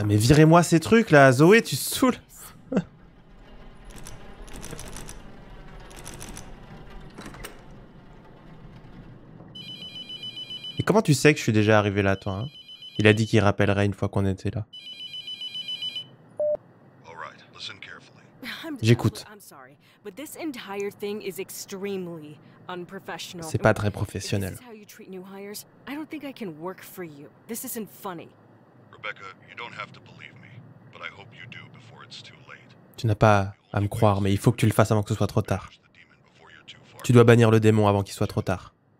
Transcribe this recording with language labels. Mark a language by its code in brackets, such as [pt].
[fr] Mais virez-moi ces trucs là, Zoé, tu saoules! Et comment tu sais que je suis déjà arrivé là, toi, hein? Il a dit qu'il rappellerait une fois qu'on était là. [en] All right, listen carefully. [fr] J'écoute. [en] I'm sorry, but this entire thing is extremely unprofessional. [fr] C'est pas très professionnel. [en] If this is how you treat new hires, I don't think I can work for you. This isn't funny. Rebecca, you don't have to believe me, but I hope you do before it's too late. [fr] Tu n'as pas à me croire, mais il faut que tu le fasses avant que ce soit trop tard. Tu dois bannir le démon avant qu'il soit trop tard.